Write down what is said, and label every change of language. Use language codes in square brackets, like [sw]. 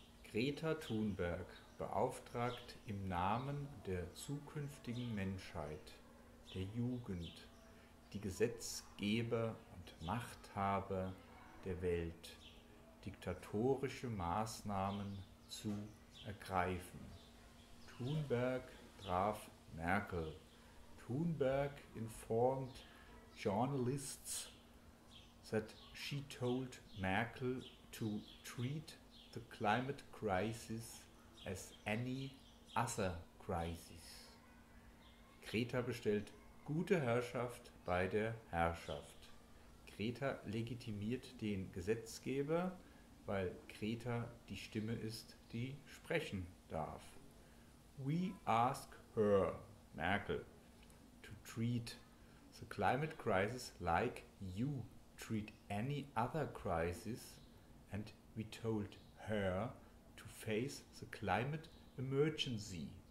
[de] Greta Thunberg beauftragt im Namen der zukünftigen Menschheit, der Jugend, die Gesetzgeber und Machthaber der Welt, diktatorische Maßnahmen zu ergreifen. Thunberg traf Merkel. [en] Thunberg informed journalists that she told Merkel to treat the climate crisis as any other crisis. [de] Greta bestellt gute Herrschaft bei der Herrschaft. Greta legitimiert den Gesetzgeber, weil Greta die Stimme ist, die sprechen darf. [en] We ask her, Merkel, to treat the climate crisis like you treat any other crisis, and we told her to face the climate emergency.